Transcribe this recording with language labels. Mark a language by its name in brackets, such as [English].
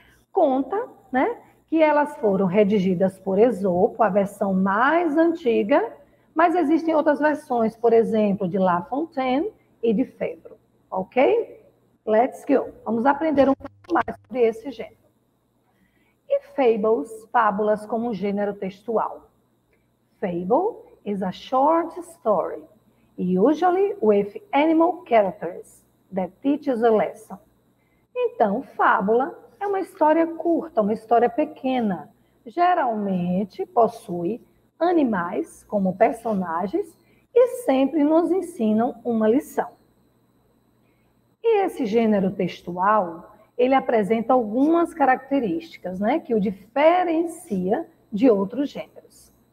[Portuguese] Conta, né, que elas foram redigidas por Esopo, a versão mais antiga, mas existem outras versões, por exemplo, de La Fontaine e de Febro, ok? [English] Let's go! [Portuguese] Vamos aprender um pouco mais sobre esse gênero. E fables, fábulas como gênero textual? [English] Fable is a short story, usually with animal characters, that teaches a lesson. [Portuguese] Então, fábula é uma história curta, uma história pequena. Geralmente possui animais como personagens e sempre nos ensinam uma lição. E esse gênero textual, ele apresenta algumas características, né, que o diferencia de outros gêneros.